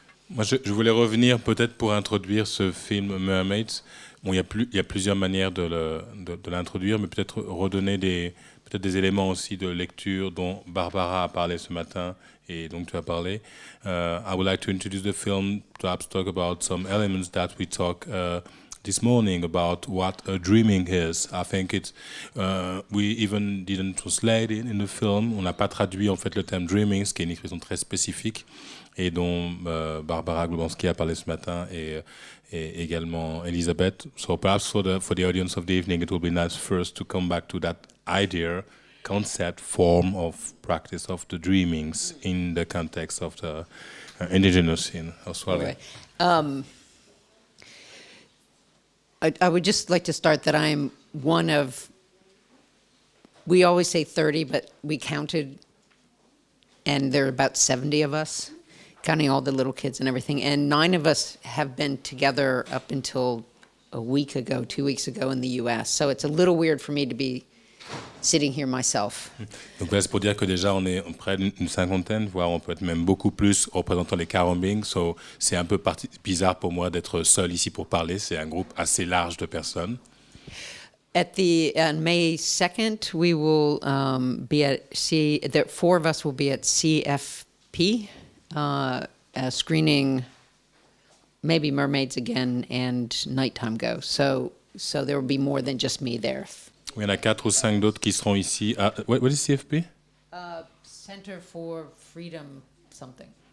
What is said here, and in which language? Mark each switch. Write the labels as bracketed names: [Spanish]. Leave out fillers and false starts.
[French] Moi, je voulais revenir peut-être pour introduire ce film Mermaids. Bon, il y a plusieurs manières de l'introduire, mais peut-être redonner des éléments aussi de lecture dont Barbara a parlé ce matin et dont tu as parlé. [English] I would like to introduce the film, perhaps talk about some elements that we talk this morning about what a dreaming is. I think it's we even didn't translate it in the film. [French] On n'a pas traduit en fait le terme dreaming, ce qui est une expression très spécifique et dont Barbara Glubanski a parlé ce matin et également Elisabeth. [English] So perhaps for the audience of the evening, it will be nice first to come back to that idea, concept, form of practice of the dreamings in the context of the indigenous scene. Oswale. Right. I would just like to start that I'm one of, we always say 30, but we counted, and there are about 70 of us, counting all the little kids and everything, and 9 of us have been together up until a week ago, 2 weeks ago in the U.S., so it's a little weird for me to be sitting here myself. [French] Donc là, c'est pour dire que déjà, on est près d'une cinquantaine, voire on peut être même beaucoup plus représentant les Carombings, so c'est un peu bizarre pour moi d'être seul ici pour parler, c'est un groupe assez large de personnes. [English] At the, on May 2nd, we will be at, there, 4 of us will be at CFP, screening maybe Mermaids Again and Nighttime Go, so there will be more than just me there. [French] Il y en a 4 ou 5 d'autres qui seront ici. [English] What is CFP? Center for Freedom something.